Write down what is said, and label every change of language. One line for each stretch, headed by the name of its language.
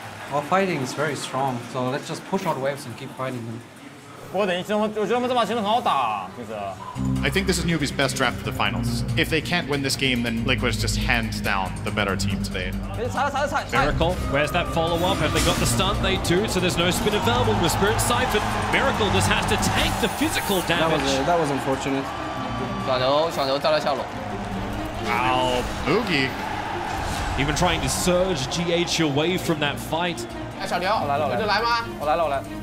English: Our fighting is very strong, so let's just push out waves and keep fighting them.
Chinese: 我觉得这把其实很好打，其实。
English: I think this is Newbie's best draft for the finals. If they can't win this game, then Liquid is just hands down the better team today. Miracle, where's that follow-up? Have they got the stun? They do, so there's no spin available with Spirit Siphon. Miracle just has to tank the physical damage. That was unfortunate.
Chinese: 小牛再来下路。
English: Wow, Boogie. Even trying to surge GH away from that fight.
Chinese: 小牛，我来了，我来吗？我来了。